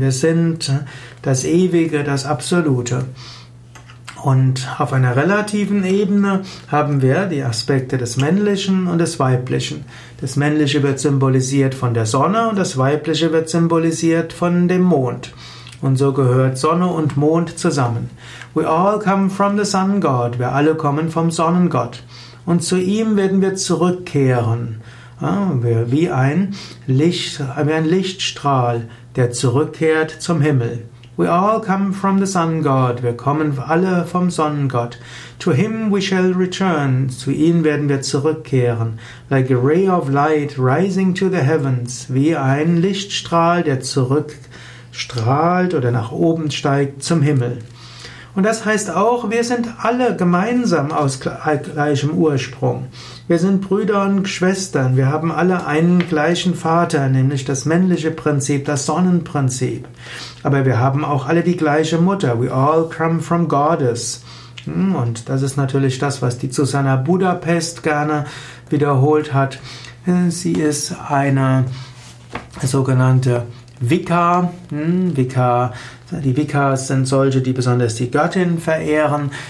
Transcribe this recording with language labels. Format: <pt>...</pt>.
<de>Wir sind das Ewige, das Absolute. Und auf einer relativen Ebene haben wir die Aspekte des Männlichen und des Weiblichen. Das Männliche wird symbolisiert von der Sonne und das Weibliche wird symbolisiert von dem Mond. Und so gehört Sonne und Mond zusammen.</de> <en>We all come from the sun god.</en> <de>Wir alle kommen vom Sonnengott. Und zu ihm werden wir zurückkehren. Wie ein Lichtstrahl, der zurückkehrt zum Himmel.</de> <en>We all come from the sun god.</en> <de>Wir kommen alle vom Sonnengott.</de> <en>To him we shall return.</en> <de>Zu ihm werden wir zurückkehren.</de> <en>Like a ray of light rising to the heavens.</en> <de>Wie ein Lichtstrahl, der zurückstrahlt oder nach oben steigt zum Himmel. Und das heißt auch, wir sind alle gemeinsam aus gleichem Ursprung. Wir sind Brüder und Schwestern. Wir haben alle einen gleichen Vater, nämlich das männliche Prinzip, das Sonnenprinzip. Aber wir haben auch alle die gleiche Mutter.</de> <en>We all come from goddess.</en> <de>Und das ist natürlich das, was die Susanna Budapest gerne wiederholt hat. Sie ist eine sogenannte Vika. Die Vikas sind solche, die besonders die Göttin verehren.</de>